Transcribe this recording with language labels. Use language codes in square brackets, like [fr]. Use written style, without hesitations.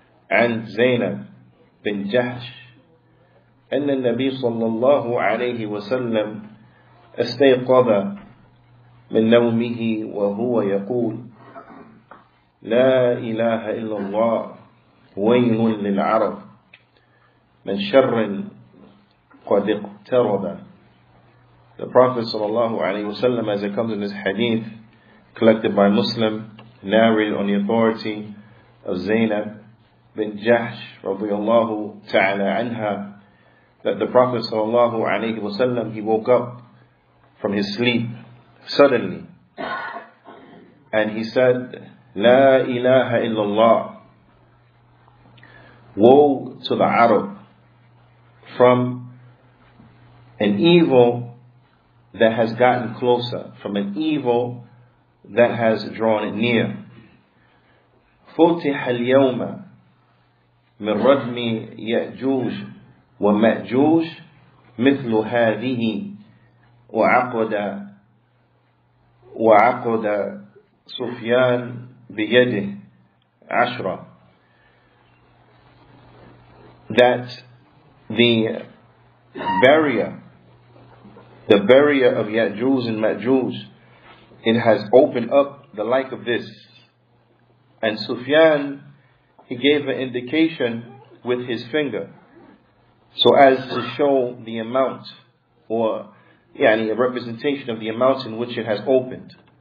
[ar] عن زينب بن جحش أن النبي صلى الله عليه وسلم استيقظ من نومه وهو يقول لا إله إلا الله ويل للعرب من شر قد اقترب. [en] The Prophet [ar] صلى الله عليه وسلم, [en] as it comes in this hadith collected by Muslim, narrated on the authority of Zainab bin Jahsh radiyallahu ta'ala anha, that the Prophet sallallahu alayhi wa sallam, he woke up from his sleep suddenly and he said, La ilaha illallah, woe to the Arab from an evil that has gotten closer, from an evil that has drawn it near. [ar] فتح اليوم من ردم يأجوج ومأجوج مثل هذه وعقد سفيان بيده عشرة. [en] That the barrier of يأجوج and مأجوج, it has opened up the like of this. And Sufyan, he gave an indication with his finger, so as to show the amount, or yani a representation of the amount in which it has opened.